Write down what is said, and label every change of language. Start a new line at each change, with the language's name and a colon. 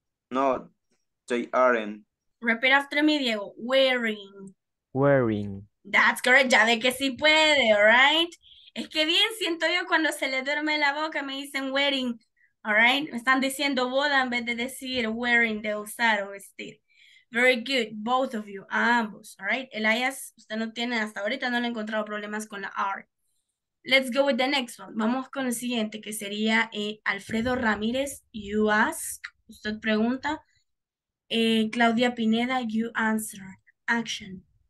English: No, they aren't. Repeat after me, Diego. Wearing. Wearing. That's correct,
Spanish: ya de que sí puede, all right? Es que bien siento yo cuando se le duerme la boca, me dicen wearing, all right? Me están diciendo boda en vez de decir wearing, de usar o vestir.
English: Very good, both of you, ambos, all right?
Spanish: Elias, usted no tiene, hasta ahorita no le he encontrado problemas con la R.
English: Let's go with the next one.
Spanish: Vamos con el siguiente, que sería Alfredo Ramírez,
English: you ask,
Spanish: usted pregunta.
English: Claudia Pineda, you answer, action.